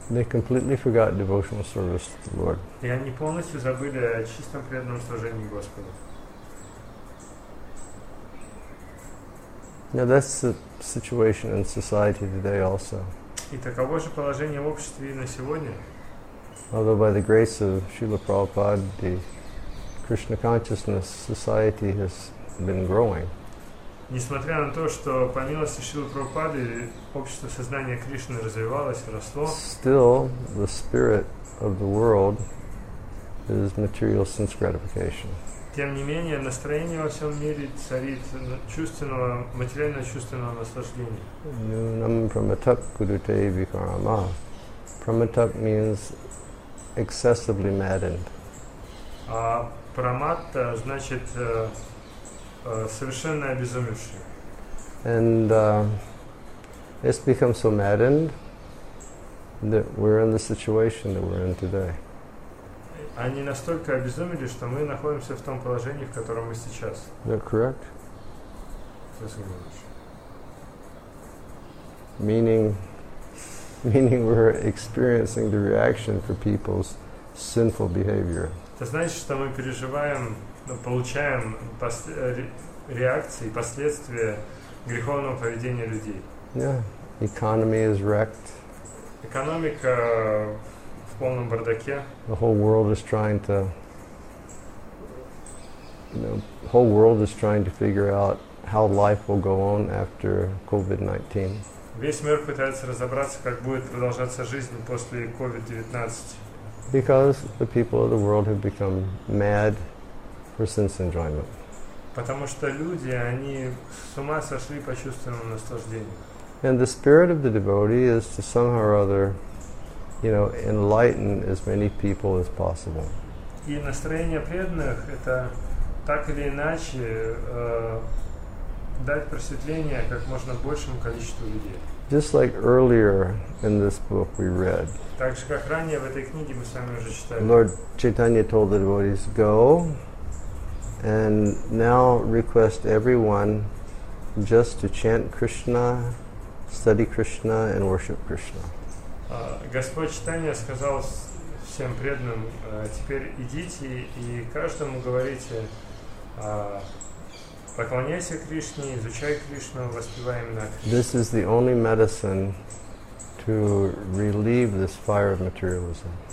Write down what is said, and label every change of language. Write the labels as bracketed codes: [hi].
[en] They completely forgot devotional service to the Lord. [ru] И они полностью забыли о чистом преданном служении Господу. [en] Now that's the situation in society today also. [ru] И таково же положение в обществе и на сегодня. [en] Although by the grace of Srila Prabhupada, the Krishna consciousness society has been growing. [ru] Несмотря на то, что по милости Шрилы Прабхупады общество сознания Кришны развивалось, росло. [en] Still, the spirit of the world is material sense gratification. [ru] Тем не менее, настроение во всем мире царит чувственного, материально чувственного наслаждения. [sa] Нунам праматак курюте викарама. [en] Праматак means excessively maddened. [ru] А праматта значит совершенно обезумевший. [en] And it's become so maddened that we're in the situation that we're in today. [ru] они настолько обезумели, что мы находимся в том положении, в котором мы сейчас. [en] They're correct. Meaning we're experiencing the reaction for people's sinful behavior. [ru] Это значит, что мы переживаем, получаем реакции, последствия греховного поведения людей. [en] Yeah, economy is wrecked. [ru] Экономика в полном бардаке. [en] The whole world is trying to, whole world is trying to figure out how life will go on after COVID-19. [ru] Весь мир пытается разобраться, как будет продолжаться жизнь после COVID-19. [en] Because the people of the world have become mad for sense enjoyment. [ru] Потому что люди, они с ума сошли по чувственному наслаждению. [en] And the spirit of the devotee is to somehow or other, enlighten as many people as possible. [ru] И настроение преданных – это так или иначе дать просветление как можно большему количеству людей. [en] Just like earlier in this book we read. [ru] Так же, как ранее в этой книге мы с вами уже читали. [en] Lord Chaitanya told the devotees, go and now request everyone just to chant Krishna, study Krishna and worship Krishna. [ru] Господь Читания сказал всем преданным, теперь идите и каждому говорите, поклоняйся Кришне, изучай Кришну, воспевай имена Кришны. [en] This is the only medicine to relieve this fire of materialism.